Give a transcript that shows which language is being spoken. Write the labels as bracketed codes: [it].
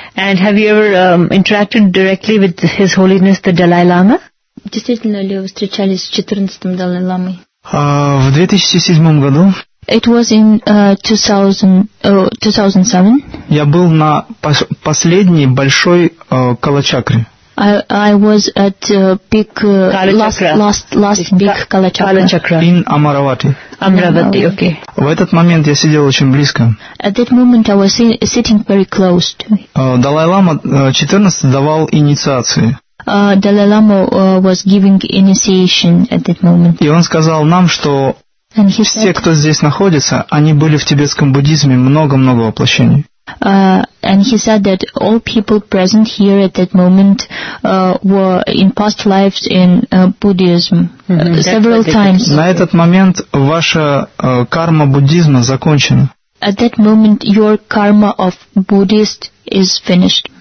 [en] And have you ever interacted directly with His Holiness the Dalai Lama? [ru] Действительно ли вы встречались с 14-м Далай Ламой? В 2007 году. [en] It was in 2007. [ru] Я был на последней большой Калачакре. [en] I was at big last big Kalachakra in Amaravati. Amaravati, okay. [ru] В этот момент я сидел очень близко. [en] At that moment I was sitting very close to me. [ru] Далай Лама 14 давал инициации. [en] Далай Лама was giving initiation at that moment. [ru] И он сказал нам, что все, кто здесь находится, они были в тибетском буддизме много-много воплощений. [en] And he said that all people present here at that moment were in past lives in Buddhism several times. [ru] На этот момент ваша карма буддизма закончена. [en] At that moment your karma of Buddhist is finished.